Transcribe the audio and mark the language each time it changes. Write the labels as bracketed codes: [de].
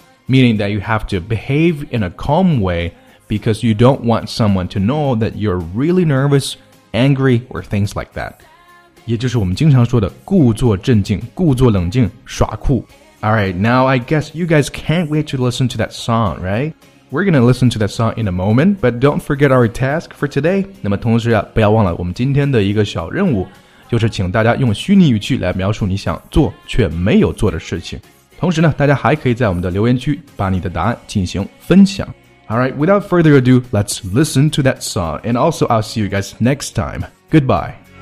[en] Meaning that you have to behave in a calm way because you don't want someone to know that you're really nervous, angry, or things like that. [zh] 也就是我们经常说的故作镇静、故作冷静、耍酷。 [en] All right, now I guess you guys can't wait to listen to that song, right? We're going to listen to that song in a moment, but don't forget our task for today. [zh] 那么同时啊，不要忘了我们今天的一个小任务，就是请大家用虚拟语句来描述你想做却没有做的事情。同时呢，大家还可以在我们的留言区把你的答案进行分享。 [en] All right, without further ado, let's listen to that song. And also, I'll see you guys next time. Goodbye.